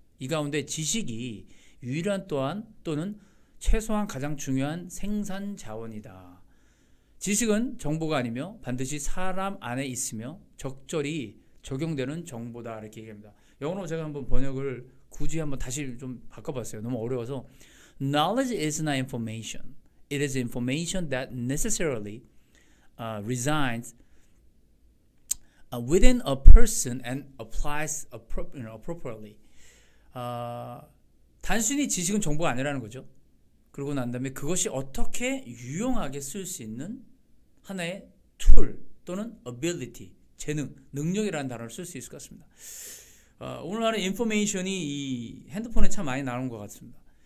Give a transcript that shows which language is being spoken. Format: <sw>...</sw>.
<ko>이 가운데 지식이 유일한 또한 또는 최소한 가장 중요한 생산 자원이다. 지식은 정보가 아니며 반드시 사람 안에 있으며 적절히 적용되는 정보다 이렇게 얘기합니다. 영어로 제가 한번 번역을 굳이 한번 다시 좀 바꿔봤어요. 너무 어려워서</ko> <en>Knowledge is not information. It is information that necessarily resides within a person and applies appropriately.</en> <ko>단순히 지식은 정보가 아니라는 거죠. 그러고 난 다음에 그것이 어떻게 유용하게 쓸 수 있는 하나의 툴 또는 ability, 재능, 능력이라는 단어를 쓸 수 있을 것 같습니다. 오늘 말은 information이 이 핸드폰에 참 많이 나온 것 같습니다.</ko>